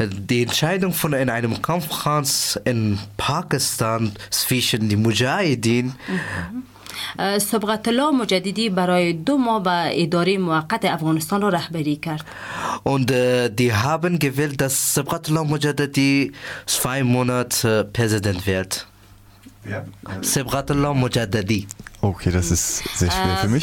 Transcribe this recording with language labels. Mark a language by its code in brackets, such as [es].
[de] Die Entscheidung von in einem Kampfkranz in Pakistan zwischen die Mujahideen. [fa] صبغت الله مجددی برای 2 ماه به اداره موقت افغانستان رو رهبری کرد. [de] Und die haben gewählt, dass صبغت الله مجددی 2 Monat Präsident wird. [fa] صبغت الله مجددی. [de] Okay, das ist sehr schwer für mich.